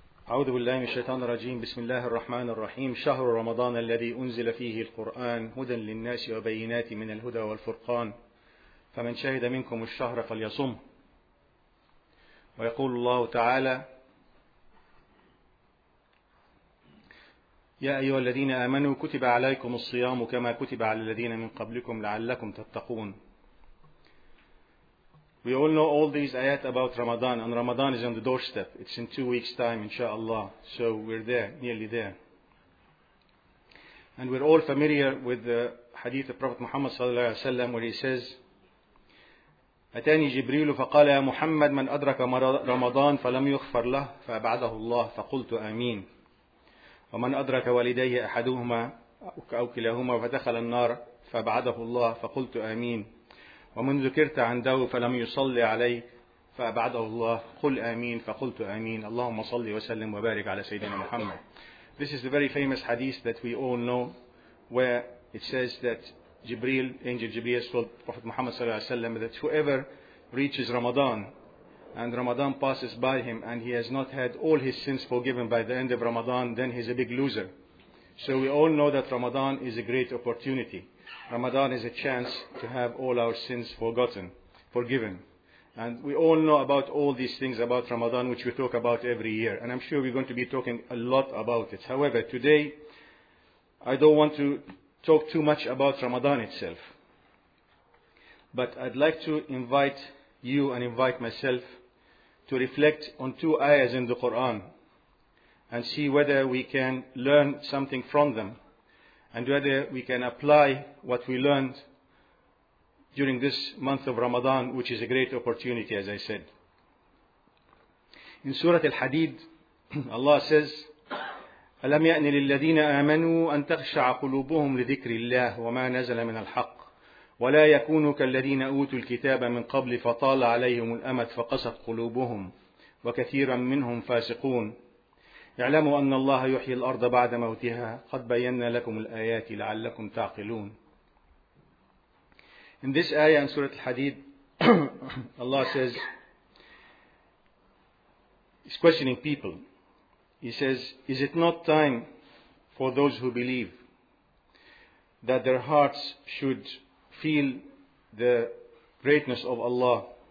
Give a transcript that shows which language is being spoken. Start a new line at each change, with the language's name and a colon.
Arabic: أعوذ بالله من الشيطان الرجيم. بسم الله الرحمن الرحيم. شهر رمضان الذي أنزل فيه القرآن هدى للناس وبينات من الهدى والفرقان، فمن شهد منكم الشهر فليصم. ويقول الله تعالى: يا أيها الذين آمنوا كتب عليكم الصيام كما كتب على الذين من قبلكم لعلكم تتقون.
English: We all know all these ayat about Ramadan, and Ramadan is on the doorstep. It's in 2 weeks' time, inshallah. So we're there, nearly there. And we're all familiar with the hadith of Prophet Muhammad sallallahu alaihi wasallam, where he says,
Arabic: أتاني جبريل فقال يا محمد من أدرك رمضان فلم يغفر له فأبعده الله فقلت آمين. ومن أدرك والدي أحدهما أو كلاهما فدخل النار فأبعده الله فقلت آمين. ومن ذكرت عنده فلم يصلي عليه فأبعده الله قل آمين فقلت آمين. اللهم صلي وسلم وبارك على سيدنا محمد.
English: This is the very famous hadith that we all know, where it says that Jibreel, Angel Jibreel, told Prophet Muhammad صلى الله عليه وسلم that whoever reaches Ramadan and Ramadan passes by him and he has not had all his sins forgiven by the end of Ramadan, then he's a big loser. So we all know that Ramadan is a great opportunity. Ramadan is a chance to have all our sins forgotten, forgiven. And we all know about all these things about Ramadan, which we talk about every year. And I'm sure we're going to be talking a lot about it. However, today, I don't want to talk too much about Ramadan itself. But I'd like to invite you and invite myself to reflect on two ayahs in the Quran and see whether we can learn something from them, and whether we can apply what we learned during this month of Ramadan, which is a great opportunity, as I said. In Surah Al-Hadid, Allah says,
Arabic: أَلَمْ يَأْنِ لِلَّذِينَ آمَنُوا أَنْ تَخْشَعَ قُلُوبُهُمْ لِذِكْرِ اللَّهِ وَمَا نَزَلَ مِنَ الْحَقِّ وَلَا يَكُونُوا كَالَّذِينَ أُوتُوا الْكِتَابَ مِنْ قَبْلِ فَطَالَ عَلَيْهُمُ الْأَمَدْ فَقَسَتْ قُلُوبُهُمْ وَكَثِيرًا مِّنْهُمْ فَاسِقُونَ. اعلموا أن الله يحيي الأرض بعد موتها قد بينا لكم الآيات لعلكم تعقلون.
English: In this ayah in Surah Al-Hadid, Allah says, He's questioning people. He says, is it not time for those who believe that their hearts should feel the greatness of Allah?